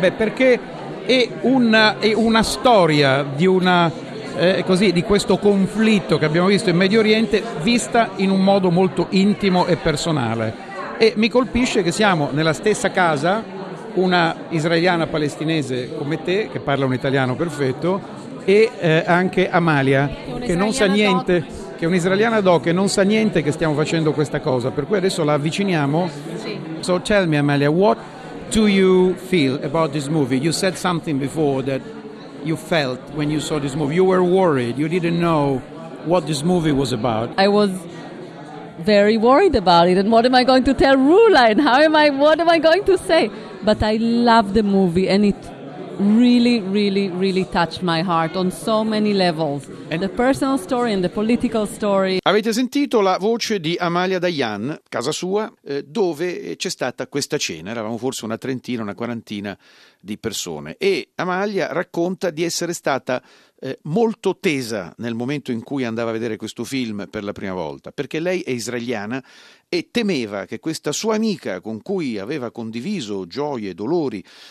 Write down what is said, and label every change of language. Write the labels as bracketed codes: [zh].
[it] Beh, perché è una storia di una di questo conflitto che abbiamo visto in Medio Oriente vista in un modo molto intimo e personale, e mi colpisce che siamo nella stessa casa. Una israeliana palestinese come te, che parla un italiano perfetto, e anche Amalia, che non sa niente, che è un'israeliana doc, che non sa niente che stiamo facendo questa cosa, per cui adesso la avviciniamo. Sì. [en] So tell me, Amalia, what do you feel about this movie? You said something before that you felt when you saw this movie. You were worried, you didn't know what this movie was about. I was very worried about it, and what am I going to tell Rula, and what am I going to say? But I love the movie, and it really, really, really touched my heart on so many levels. And the personal story and the political story. [it] Avete sentito la voce di Amalia Dayan, casa sua, dove c'è stata questa cena. Eravamo forse una trentina, una quarantina di persone. E Amalia racconta di essere stata molto tesa nel momento in cui andava a vedere questo film per la prima volta, perché lei è israeliana e temeva che questa sua amica, con cui aveva condiviso gioie e dolori